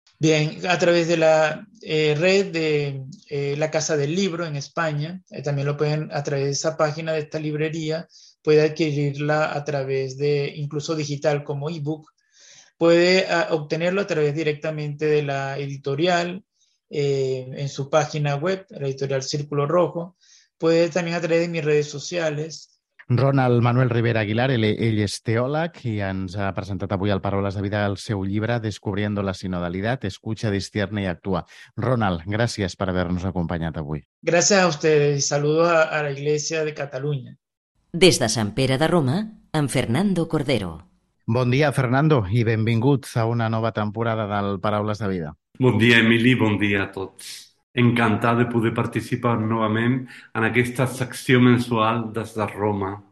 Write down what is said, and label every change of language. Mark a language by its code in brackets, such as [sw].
[es] Bien, a través de la red de la Casa del Libro en España, también lo pueden a través de esa página de esta librería, puede adquirirla a través de incluso digital como ebook, puede obtenerlo a través directamente de la editorial. En su página web, la editorial Círculo Rojo, puede también a través de mis redes sociales. [ca] Ronald Manuel Rivera Aguilar, ell és teòleg i ens ha presentat avui al Paraules de Vida el seu llibre Descobriendo la sinodalidad, escucha, discierne y actúa. Ronald, gràcies per haver-nos acompanyat avui. [es] Gracias a ustedes, saludos a la Iglesia de Cataluña. [ca] Des de Sant Pere de Roma, amb Fernando Cordero. Bon dia, Fernando, i benvinguts a una nova temporada del Paraules de Vida. Bon dia, Emili, bon dia a tots. Encantat de poder participar novament en aquesta secció mensual des de Roma.